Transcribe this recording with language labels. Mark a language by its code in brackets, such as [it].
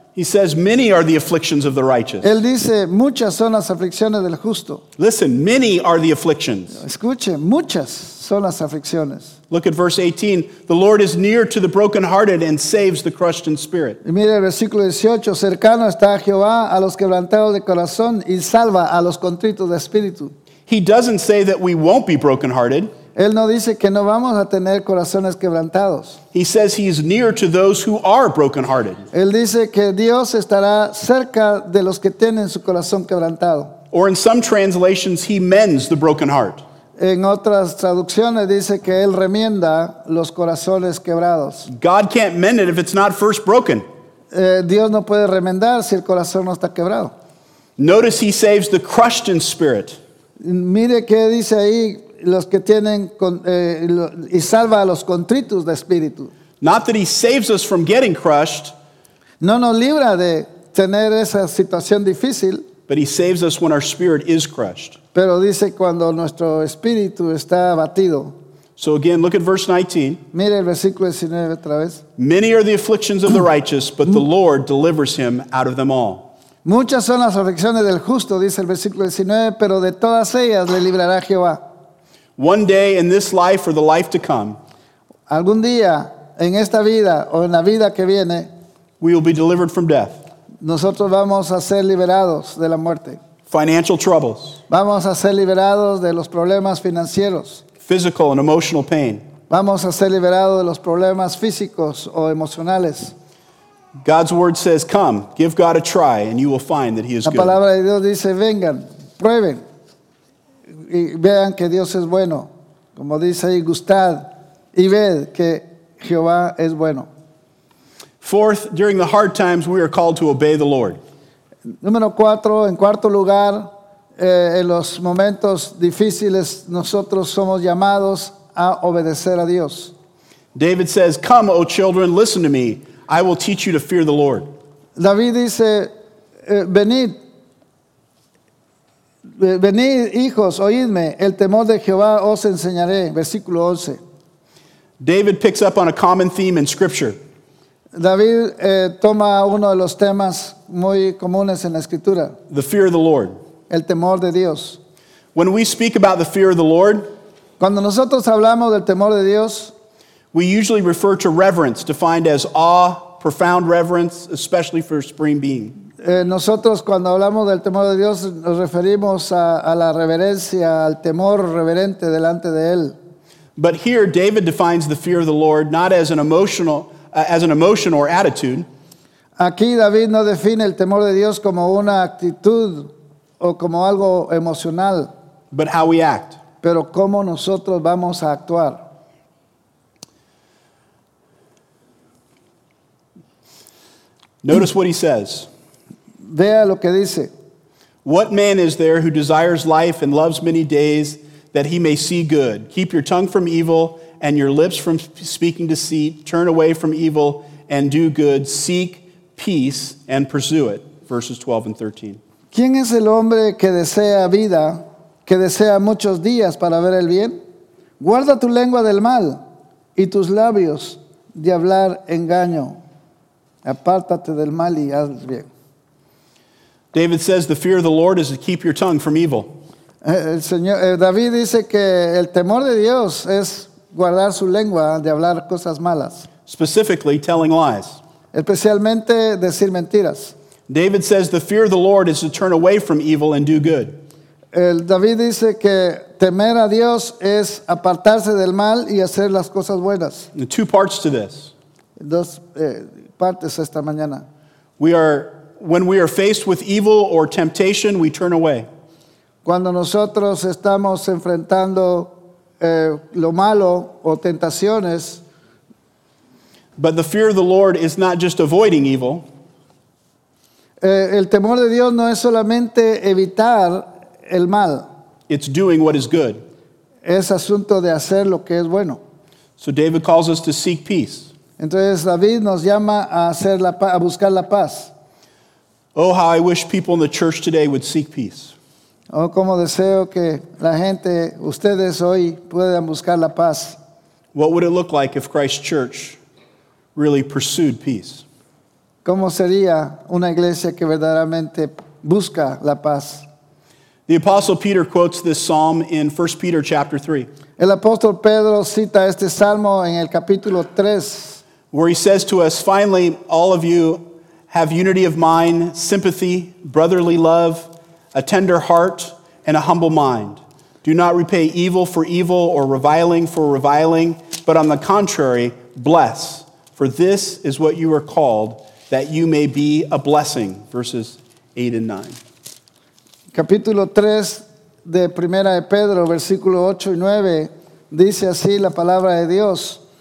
[en] He says, "Many are the afflictions of the righteous." [es] Él dice, muchas son las aflicciones del justo. [en] Listen, many are the afflictions. [es] Escuche, muchas son las aflicciones. [en] Look at verse 18. The Lord is near to the brokenhearted and saves the crushed in spirit. [es] Y mire el versículo 18. Cercano está Jehová a los quebrantados de corazón y salva a los contritos de espíritu. [en] He doesn't say that we won't be brokenhearted. [es] Él no dice que no vamos a tener corazones quebrantados. [en] He says he is near to those who are brokenhearted. [es] Él dice que Dios estará cerca de los que tienen su corazón quebrantado. [en] Or in some translations, he mends the broken heart. [es] En otras traducciones dice que él remienda los corazones quebrados. [en] God can't mend it if it's not first broken. [es] Dios no puede remendar si el corazón no está quebrado. [en] Notice he saves the crushed in spirit. [es] Mire qué dice ahí. Los que tienen y salva a los contritos de espíritu. [en] Not that he saves us from getting crushed. [es] No nos libra de tener esa situación difícil. [en] But he saves us when our spirit is crushed. [es] Pero dice cuando nuestro espíritu está abatido. [en] So again, look at verse 19. [es] Mire el versículo 19 otra vez. [en] Many are the afflictions of the righteous, but the Lord delivers him out of them all. [es] Muchas son las aflicciones del justo, dice el versículo 19, pero de todas ellas le librará Jehová. [en] One day in this life or the life to come, [es] algún día en esta vida o en la vida que viene, [en] we will be delivered from death. [es] Nosotros vamos a ser liberados de la muerte. [en] Financial troubles. [es] Vamos a ser liberados de los problemas financieros. [en] Physical and emotional pain. [es] Vamos a ser liberados de los problemas físicos o emocionales. [en] God's word says, "Come, give God a try, and you will find that He is good." [es] La palabra de Dios dice, "Vengan, prueben." Y vean que Dios es bueno, como dice ahí, gustad y ved que Jehová es bueno. [en] Fourth, during the hard times, we are called to obey the Lord. [es] Número cuatro, en cuarto lugar, en los momentos difíciles, nosotros somos llamados a obedecer a Dios. [en] David says, "Come, O children, listen to me. I will teach you to fear the Lord." [es] David dice, venid. Venid, hijos, oídme, el temor de Jehová os enseñaré. Versículo 11. [en] David picks up on a common theme in Scripture. [es] David toma uno de los temas muy comunes en la Escritura. [en] The fear of the Lord. [es] El temor de Dios. [en] When we speak about the fear of the Lord, [es] cuando nosotros hablamos del temor de Dios, [en] we usually refer to reverence, defined as awe, profound reverence, especially for a supreme being. [es] Nosotros cuando hablamos del temor de Dios nos referimos a la reverencia, al temor reverente delante de él. [en] But here David defines the fear of the Lord not as an emotional as an emotion or attitude. [es] Aquí David no define el temor de Dios como una actitud o como algo emocional. [en] But how we act. [es] Pero cómo nosotros vamos a actuar. [en] Notice what he says. [es] Vea lo que dice. [en] What man is there who desires life and loves many days that he may see good? Keep your tongue from evil and your lips from speaking deceit. Turn away from evil and do good. Seek peace and pursue it. Verses 12 and 13. [es] ¿Quién es el hombre que desea vida, que desea muchos días para ver el bien? Guarda tu lengua del mal y tus labios de hablar engaño. Apártate del mal y haz bien. [en] David says the fear of the Lord is to keep your tongue from evil. [es] El Señor, David dice que el temor de Dios es guardar su lengua de hablar cosas malas. [en] Specifically, telling lies. [es] Especialmente decir mentiras. [en] David says the fear of the Lord is to turn away from evil and do good. [es] El David dice que temer a Dios es apartarse del mal y hacer las cosas buenas. [en] And two parts to this. [es] Dos partes esta mañana. [en] When we are faced with evil or temptation, we turn away. [es] Cuando nosotros estamos enfrentando lo malo o tentaciones. [en] But the fear of the Lord is not just avoiding evil. [es] El temor de Dios no es solamente evitar el mal. [en] It's doing what is good. [es] Es asunto de hacer lo que es bueno. [en] So David calls us to seek peace. [es] Entonces David nos llama a buscar la paz. [en] Oh, how I wish people in the church today would seek peace. [es] Oh, como deseo que la gente, ustedes hoy, puedan buscar la paz. [en] What would it look like if Christ's church really pursued peace? [es] ¿Cómo sería una iglesia que verdaderamente busca la paz? [en] The Apostle Peter quotes this psalm in 1 Peter chapter 3. [es] El apóstol Pedro cita este salmo en el capítulo 3. [en] Where he says to us, finally, all of you have unity of mind, sympathy, brotherly love, a tender heart, and a humble mind. Do not repay evil for evil or reviling for reviling, but on the contrary, bless. For this is what you are called, that you may be a blessing. Verses 8 and 9. [es] Capítulo 3 de Primera de Pedro, versículo 8 y 9, dice así la palabra de Dios.